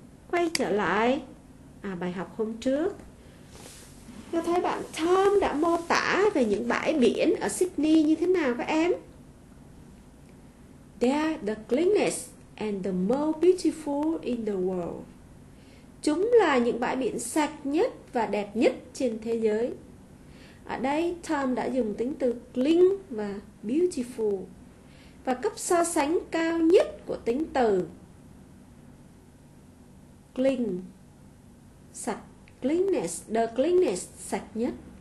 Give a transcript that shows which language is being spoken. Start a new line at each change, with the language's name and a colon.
Vietnamese: Quay trở lại bài học hôm trước, tôi thấy bạn Tom đã mô tả về những bãi biển ở Sydney như thế nào các em?
English: They are the cleanest and the most beautiful in the world.
Vietnamese: Chúng là những bãi biển sạch nhất và đẹp nhất trên thế giới. Ở đây, Tom đã dùng tính từ clean và beautiful. Và cấp so sánh cao nhất của tính từ clean, sạch, cleanness, the cleanness, sạch nhất.